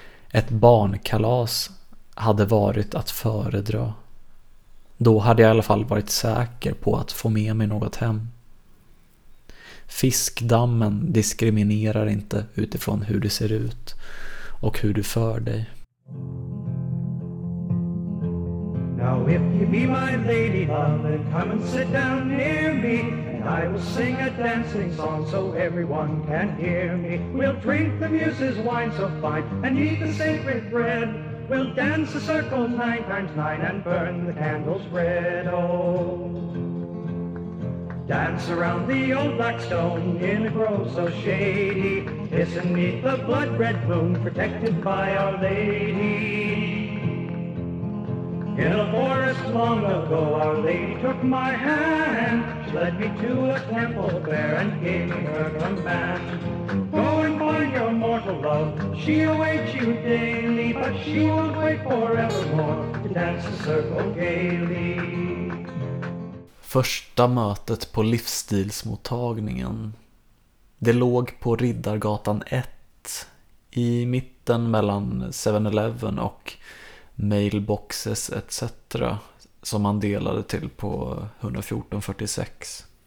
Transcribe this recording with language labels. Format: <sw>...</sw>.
<sv>Ett barnkalas hade varit att föredra. Då hade jag i alla fall varit säker på att få med mig något hem. Fiskdammen diskriminerar inte utifrån hur du ser ut och hur du för dig.</sv> <en>Now if you be my lady love, then come and sit down near me. And I will sing a dancing song so everyone can hear me. We'll drink the muses wine so fine and eat the sacred bread. We'll dance a circle nine times nine and burn the candles red, oh. Dance around the old black stone in a grove so shady. Kiss and meet the blood-red moon protected by Our Lady. In a forest long ago, Our Lady took my hand. She led me to a temple there and gave me her command. Go and find your mortal love, she awaits you daily, but she will wait forevermore to dance the circle gaily.</en> <sv>Första mötet på livsstilsmottagningen. Det låg på Riddargatan 1, i mitten mellan 7-Eleven och mailboxes etc. som man delade till på 11446.</sv>